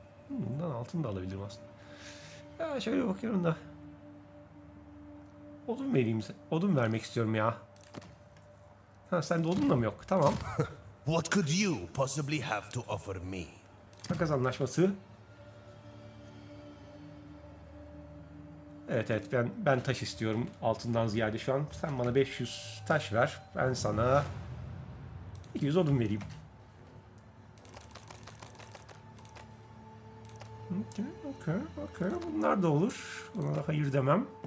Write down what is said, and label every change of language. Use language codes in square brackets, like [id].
[tr] Bundan altını da alabilirim aslında. Ya şöyle bakıyorum da. Odun vereyim. Odun vermek istiyorum ya. Ha, sen de odun da mı yok? Tamam. [en] What could you possibly have to offer me? [tr] Takas anlaşması. Evet evet, ben taş istiyorum altından ziyade şu an. Sen bana 500 taş ver. Ben sana 200 odun vereyim. Yok, Okay, okay. Bunlar da olur. Ona da hayır demem.